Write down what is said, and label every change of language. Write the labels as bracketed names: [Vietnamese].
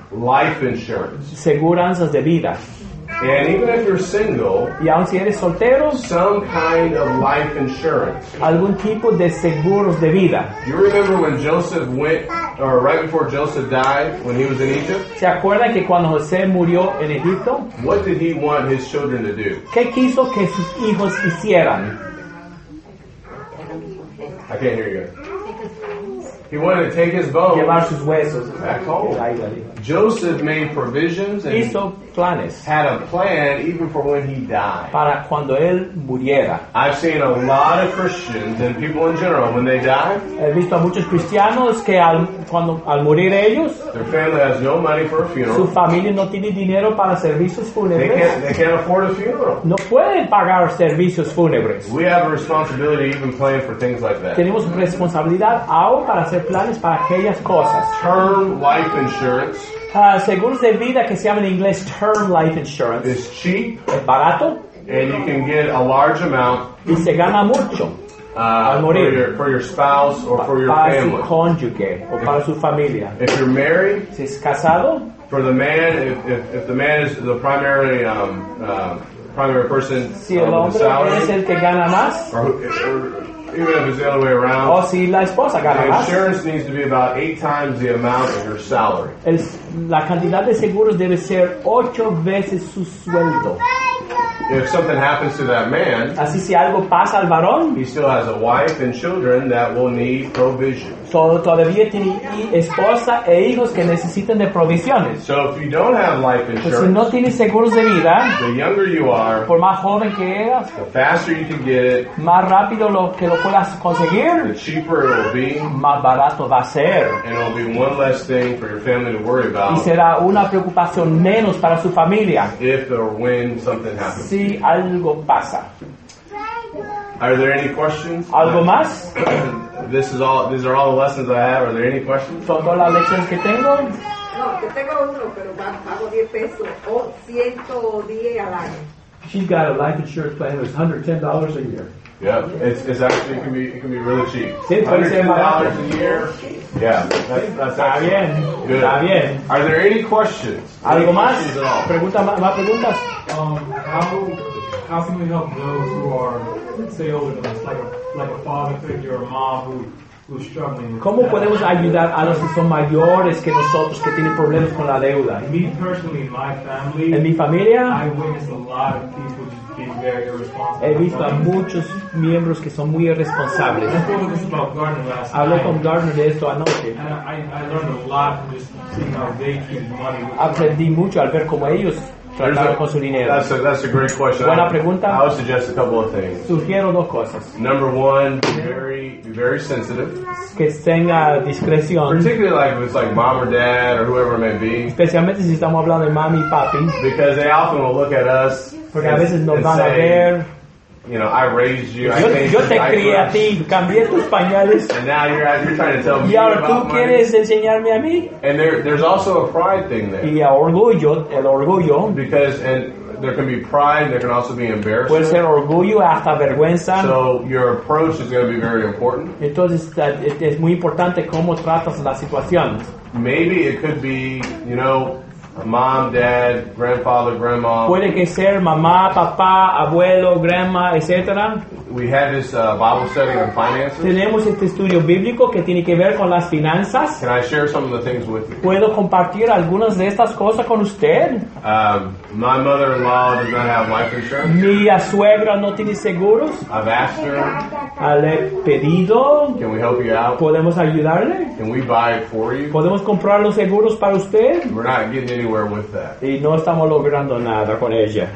[English] life insurance, [Spanish] seguranzas de vida. [English] And even if you're single, [Spanish] y aun si eres soltero, [English] some kind of life insurance, [Spanish] algún tipo de seguros de vida. [English] Do you remember when Joseph went, or right before Joseph died, when he was in Egypt? [Spanish] ¿Se acuerdan que cuando José murió en Egipto? [English] What did he want his children to do? [Spanish] ¿Qué quiso que sus hijos hicieran? [English] I can't hear you. He wanted to take his bones, [Spanish] llevar sus huesos, [English] back home. Joseph made provisions and [Spanish] hizo planes. [English] Had a plan even for when he died. [Spanish] Para cuando él muriera. [English] I've seen a lot of Christians and people in general when they die. [Spanish] He visto a muchos cristianos que al morir ellos, [English] their family has no money for a funeral. [Spanish] Su familia no tiene dinero para servicios fúnebres. [English] They can't afford a funeral. [Spanish] No pueden pagar servicios fúnebres. [English] We have a responsibility even planning for things like that. [Spanish] Tenemos responsabilidad aún para hacer planes para aquellas cosas. [English] Term life insurance. [Spanish] Seguros de vida que se llama en inglés term life insurance. [English] Is cheap. [Spanish] Es barato. [English] And you can get a large amount. [Spanish] Y se gana mucho. [English] For your spouse or for your [Spanish] para [English] family. [Spanish] Para su cónyuge o para su familia. [English] If you're married. [Spanish] Si es casado. [English] For the man, if the man is the primary person. [Spanish] Si el hombre es el que gana más. [English] Even if it's the other way around, [Spanish] oh, si la esposa gana [English] the insurance [Spanish] más. [English] Needs to be about eight times the amount of your salary. [Spanish] La cantidad de seguros debe ser ocho veces su sueldo. [English] If something happens to that man, [Spanish] así si algo pasa al varón, [English] he still has a wife and children that will need provision. [Spanish] Todavía tiene esposa e hijos que necesitan de provisiones. [English] So if you don't have life insurance, [Spanish] pues si no tiene seguros de vida, [English] the younger you are, [Spanish] por más joven que eras, [English] the faster you can get it, [Spanish] más rápido lo puedas conseguir, [English] the cheaper it will be, [Spanish] más barato va a ser, [English] and it'll be one less thing for your family to worry about. [Spanish] Y será una preocupación menos para su familia. [English] If or when something happens. [Spanish] Si algo pasa. [English] Are there any questions? [Spanish] ¿Algo más? [English] This is all. These are all the lessons I have. Are there any questions? [Spanish] Son todas las lecciones que tengo. No, que tengo uno, pero pago 10 pesos o 110 al año. [English] She's got a life insurance plan that's $110 a year. Yeah, it's actually, it can be really cheap. $110 a year. Yeah, that's [Spanish] está bien. [English] Good. Are there any questions? [Spanish] Algo más? Pregunta más preguntas. [English] How can we help those who are, say, older than us, like a father figure, a mom who's struggling? [Spanish] ¿Cómo podemos ayudar a los que son mayores que nosotros que tienen problemas con la deuda? [English] Me personally, in my family, [Spanish] en mi familia, [English] I witness a lot of people just being very irresponsible. [Spanish] He visto a muchos miembros que son muy irresponsables. [English] I spoke with about Gardner last night. [Spanish] Hablé con Gardner de esto anoche. [English] And I learned a lot from just seeing how they keep money. [Spanish] Aprendí mucho al ver cómo ellos. [English] That's a great question. [Spanish] Buena pregunta. [English] I would suggest a couple of things. [Spanish] Sugiero dos cosas. [English] Number one, be very sensitive. [Spanish] Que tenga discreción. [English] Particularly like if it's like mom or dad or whoever it may be. [Spanish] Especialmente si estamos hablando de mami y papi. [English] Because they often will look at us. [Spanish] Porque a veces nos van a ver. [English] You know, I raised you. [Spanish] Yo te crié a ti. Cambié tus pañales. [English] And now you're trying to tell me. [Spanish] Y ahora tú quieres enseñarme a mí. [English] And there's also a pride thing there. [Spanish] Y el orgullo. [English] Because and there can be pride. There can also be embarrassment. [Spanish] Puede ser orgullo hasta vergüenza. [English] So your approach is going to be very important. [Spanish] Entonces es muy importante cómo tratas la situación. [English] Maybe it could be, you know. Mom, dad, grandfather, grandma. [Spanish] Puede que ser mamá, papá, abuelo, grandma, etc. [English] We have this Bible study on finances. [Spanish] Tenemos este estudio bíblico que tiene que ver con las finanzas. [English] Can I share some of the things with you? [Spanish] ¿Puedo compartir algunas de estas cosas con usted? [English] My mother-in-law does not have life insurance. [Spanish] Mi suegra no tiene seguros. [English] I've asked her. [Spanish] Le he pedido. [English] Can we help you out? [Spanish] ¿Podemos ayudarle? [English] Can we buy it for you? [Spanish] ¿Podemos comprar los seguros para usted? [English] We're not getting anywhere with that. [Spanish] Y no estamos logrando nada con ella.